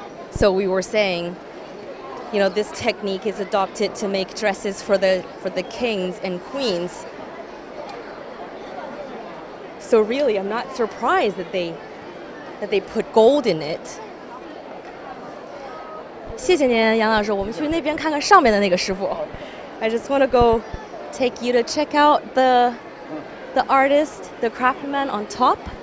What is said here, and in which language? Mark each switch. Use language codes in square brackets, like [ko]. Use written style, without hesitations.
[en] So we were saying, you know, this technique is adopted to make dresses for the kings and queens. So really, I'm not surprised that they put gold in it. [zh] 谢谢您，杨老师，我们去那边看看上面的那个师傅。 [en] I just want to go take you to check out the artist, the craftsman on top.